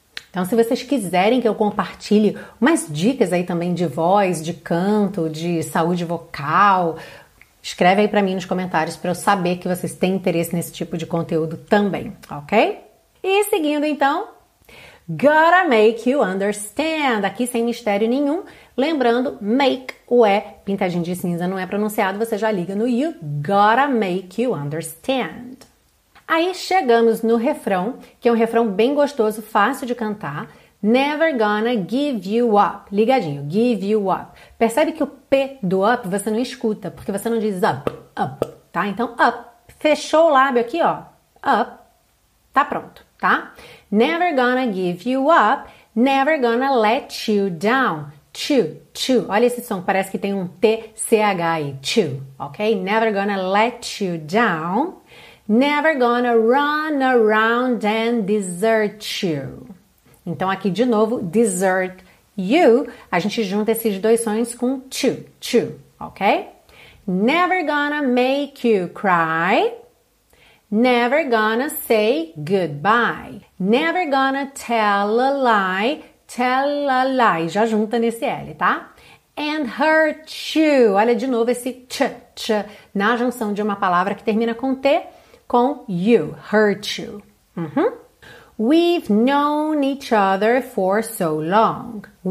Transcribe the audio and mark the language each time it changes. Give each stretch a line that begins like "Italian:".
Portuguese: Então, se vocês quiserem que eu compartilhe umas dicas aí também de voz, de canto, de saúde vocal, escreve aí para mim nos comentários para eu saber que vocês têm interesse nesse tipo de conteúdo também, ok? E seguindo então,
English: gotta make you understand.
Portuguese: Aqui sem mistério nenhum. Lembrando, make o E pintadinho de cinza não é pronunciado, você já liga no you.
English: Gotta make you understand.
Portuguese: Aí chegamos no refrão, que é um refrão bem gostoso, fácil de cantar.
English: Never gonna give you up. Ligadinho, give you up.
Portuguese: Percebe que o P do up você não escuta, porque você não diz up, up, tá? Então up. Fechou o lábio aqui, ó. Up. Tá pronto, tá?
English: Never gonna give you up, never gonna let you down. Chew, chew.
Portuguese: Olha esse som, parece que tem um TCH aí.
English: Chew, ok? Never gonna let you down, never gonna run around and desert you.
Portuguese: Então aqui de novo,
English: desert you,
Portuguese: a gente junta esses dois sons com chew, chew, ok?
English: Never gonna make you cry. Never gonna say goodbye. Never gonna tell a lie.
Portuguese: Já junta nesse L, tá?
English: And hurt you.
Portuguese: Olha de novo esse ch na junção de uma palavra que termina com T, com you.
English: Hurt you. We've known each other for so long.